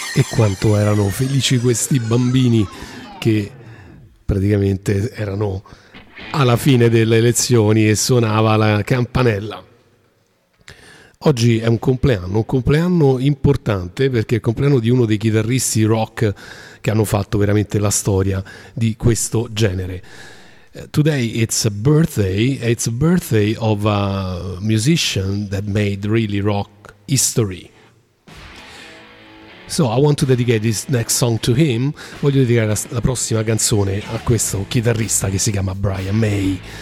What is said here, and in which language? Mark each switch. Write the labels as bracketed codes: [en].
[it] Quanto erano felici questi bambini che praticamente erano alla fine delle lezioni e suonava la campanella. Oggi è un compleanno importante perché è il compleanno di uno dei chitarristi rock che hanno fatto veramente la storia di questo genere. [en] Today it's a birthday of a musician that made really rock history. So I want to dedicate this next song to him. [it] Voglio dedicare la prossima canzone a questo chitarrista che si chiama Brian May.